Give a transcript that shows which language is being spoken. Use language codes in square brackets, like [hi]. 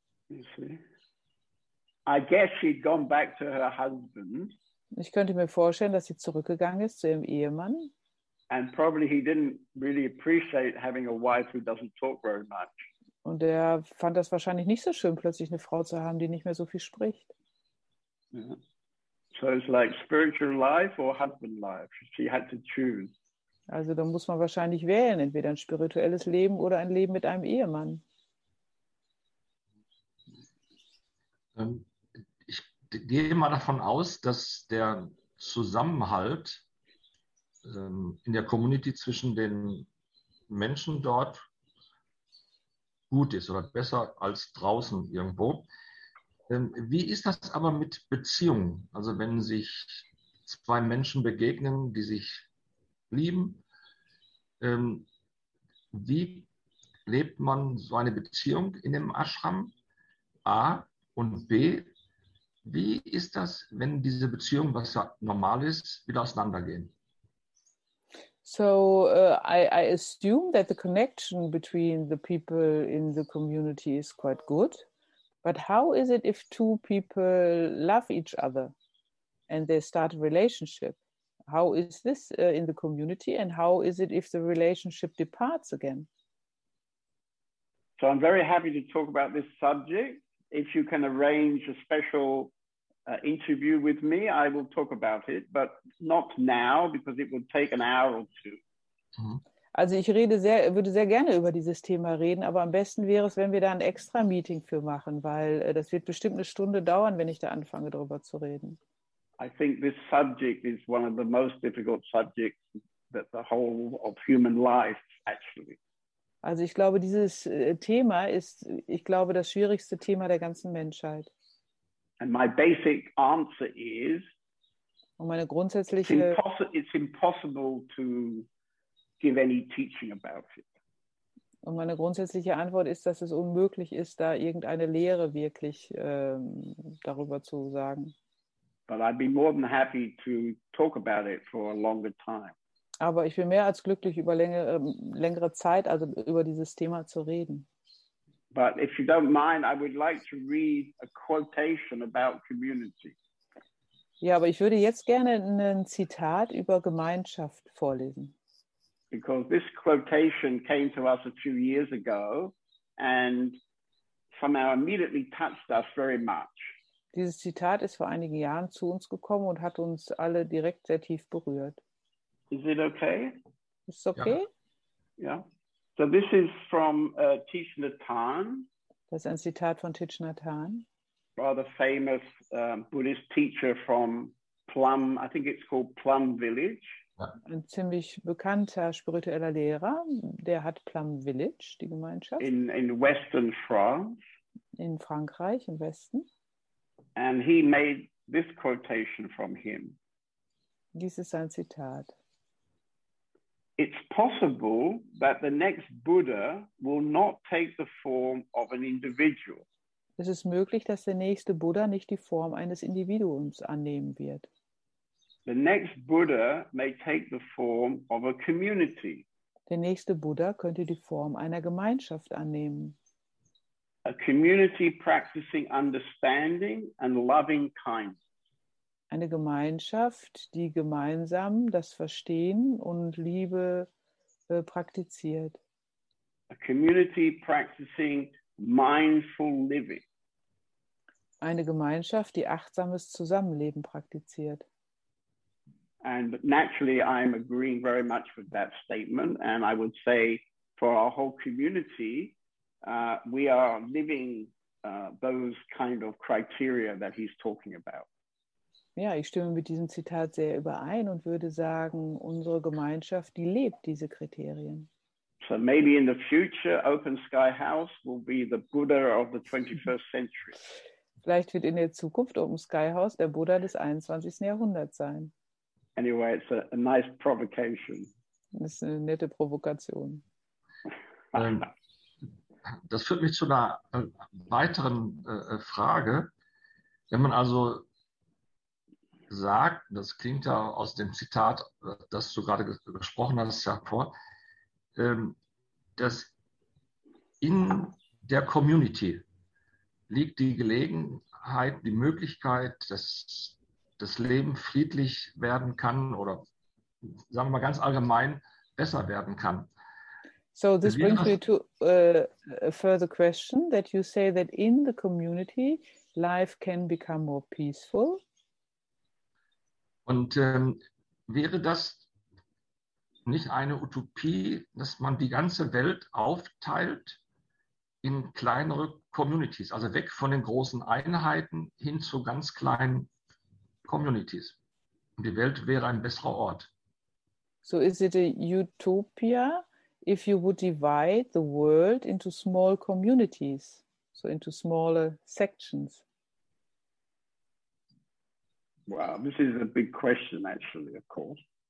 [en] You see? I guess she'd gone back to her husband. [de] Ich könnte mir vorstellen, dass sie zurückgegangen ist zu ihrem Ehemann. [en] And probably he didn't really appreciate having a wife who doesn't talk very much. [de] Und er fand das wahrscheinlich nicht so schön, plötzlich eine Frau zu haben, die nicht mehr so viel spricht. [en] Yeah. So it's like spiritual life or husband life. She had to choose. [de] Also da muss man wahrscheinlich wählen, entweder ein spirituelles Leben oder ein Leben mit einem Ehemann. Ich gehe mal davon aus, dass der Zusammenhalt in der Community zwischen den Menschen dort gut ist oder besser als draußen irgendwo. Wie ist das aber mit Beziehungen? Also wenn sich zwei Menschen begegnen, die sich lieben, wie lebt man so eine Beziehung in dem Ashram? A und B, wie ist das, wenn diese Beziehung, was ja normal ist, wieder auseinandergehen? [en] So I assume that the connection between the people in the community is quite good. But how is it if two people love each other and they start a relationship? How is this in the community and how is it if the relationship departs again? So I'm very happy to talk about this subject. If you can arrange a special interview with me, I will talk about it, but not now because it would take an hour or two. [de] Also ich rede sehr, würde sehr gerne über dieses Thema reden, aber am besten wäre es, wenn wir da ein extra Meeting für machen, weil das wird bestimmt eine Stunde dauern, wenn ich da anfange, darüber zu reden. [en] I think this subject is one of the most difficult subjects that the whole of human life actually. [de] Also ich glaube, dieses Thema ist, ich glaube, das schwierigste Thema der ganzen Menschheit. [en] And my basic answer is, [de] und meine grundsätzliche [en] it's impossible to give any teaching about it. [de] Und meine grundsätzliche Antwort ist, dass es unmöglich ist, da irgendeine Lehre wirklich darüber zu sagen. [en] But I'd be more than happy to talk about it for a longer time. [de] Aber ich bin mehr als glücklich, über längere Zeit, also über dieses Thema zu reden. [en] But if you don't mind, I would like to read a quotation about community. [de] Ja, aber ich würde jetzt gerne ein Zitat über Gemeinschaft vorlesen. [en] Because this quotation came to us a few years ago and somehow immediately touched us very much. [de] Dieses Zitat ist vor einigen Jahren zu uns gekommen und hat uns alle direkt sehr tief berührt. [en] Is it okay? [de] Ist es okay? Ja. [en] Yeah. So this is from Thich Nhat Hanh. [de] Das ist ein Zitat von Thich Nhat Hanh. [en] Rather famous Buddhist teacher from Plum, I think it's called Plum Village. [de] Ein ziemlich bekannter spiritueller Lehrer, der hat Plum Village, die Gemeinschaft. [en] In Western France. [de] In Frankreich, im Westen. [en] And he made this quotation from him. [de] Dies ist sein Zitat. [en] It's possible that the next Buddha will not take the form of an individual. [de] Es ist möglich, dass der nächste Buddha nicht die Form eines Individuums annehmen wird. [en] The next Buddha may take the form of a community. [de] Der nächste Buddha könnte die Form einer Gemeinschaft annehmen. [en] A community practicing understanding and loving kindness. [de] Eine Gemeinschaft, die gemeinsam das Verstehen und Liebe praktiziert. [en] A community practicing mindful living. [de] Eine Gemeinschaft, die achtsames Zusammenleben praktiziert. [en] And naturally, I'm agreeing very much with that statement. And I would say, for our whole community, we are living those kind of criteria that he's talking about. [de] Ja, ich stimme mit diesem Zitat sehr überein und würde sagen, unsere Gemeinschaft, die lebt diese Kriterien. [en] So maybe in the future, Open Sky House will be the Buddha of the 21st century. [de] Vielleicht wird in der Zukunft Open Sky House der Buddha des 21. Jahrhunderts sein. [en] Anyway, it's a nice provocation. [de] Das ist eine nette Provokation. Das führt mich zu einer weiteren Frage. Wenn man also sagt, das klingt ja aus dem Zitat, das du gerade gesprochen hast, ja vor, dass in der Community liegt die Gelegenheit, die Möglichkeit, dass das Leben friedlich werden kann oder, sagen wir mal ganz allgemein, besser werden kann. [en] So this brings me to a further question that you say that in the community life can become more peaceful. [de] Und wäre das nicht eine Utopie, dass man die ganze Welt aufteilt in kleinere Communities, also weg von den großen Einheiten hin zu ganz kleinen Communities? Und die Welt wäre ein besserer Ort. [en] So is it a utopia if you would divide the world into small communities, so into smaller sections? Wow, this is a big question, actually, of course.